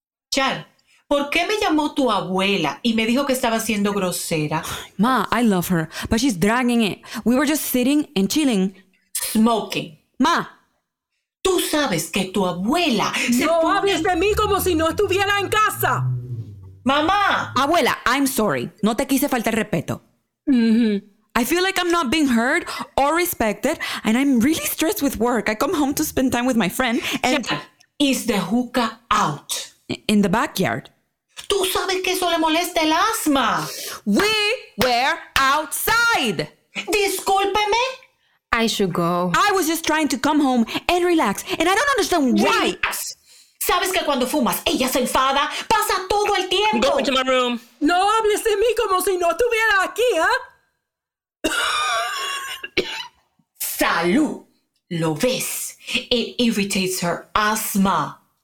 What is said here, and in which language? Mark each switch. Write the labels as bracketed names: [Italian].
[Spanish] Char, ¿por qué me llamó tu abuela y me dijo que estaba siendo grosera? [English] Ma, I love her, but she's dragging it. We were just sitting and chilling. Smoking. Ma. [Spanish] Tú sabes que tu abuela se pone... No hables de mí como si no estuviera en casa. Mamá. Abuela, [English] I'm sorry. [Spanish] No te quise faltar respeto. [English] I feel like I'm not being heard or respected, and I'm really stressed with work. I come home to spend time with my friend, and... Is the hookah out? In the backyard. [Spanish] Tú sabes que eso le molesta el asma. [English] We were outside. [Spanish] Discúlpeme. [English] I should go. I was just trying to come home and relax, and I don't understand why... [Spanish] Relax. ¿Sabes que cuando fumas, ella se enfada? Pasa todo el tiempo. [English] Go into my room. [Spanish] No hables de mí como si no estuviera aquí, ¿eh? Salud. Lo ves. [English] It irritates her asthma.